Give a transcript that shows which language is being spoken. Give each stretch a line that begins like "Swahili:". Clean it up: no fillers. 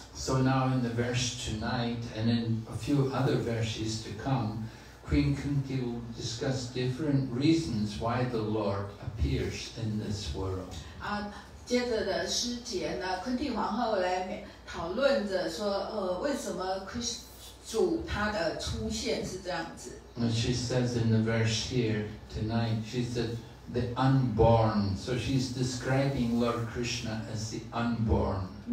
English: So now in the verse tonight, and in a few other verses to come, Queen Kunti will discuss different reasons why the Lord appears in this world.
Chinese: 接着的诗节呢，昆蒂皇后来讨论着说，为什么主他的出现是这样子？
English: And she says in the verse here tonight, she said, the unborn. So she's describing Lord Krishna as the unborn.